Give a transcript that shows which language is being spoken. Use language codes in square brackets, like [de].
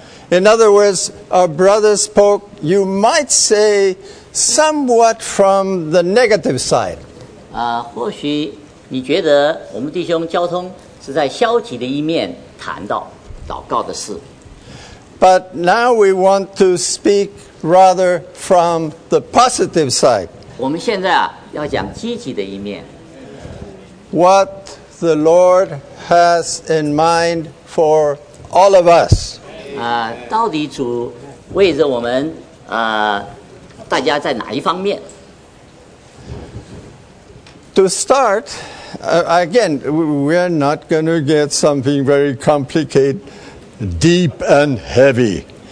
[en] In other words, our brother spoke, you might say, somewhat from the negative side. [zh] 或许你觉得我们弟兄交通是在消极的一面谈到祷告的事。 [en] But now we want to speak rather from the positive side. [zh] 我们现在要讲积极的一面。 [en] What the Lord has in mind for all of us. [zh] 到底主为着我们大家在哪一方面? [en] To start, again, we're not going to get something very complicated, deep and heavy.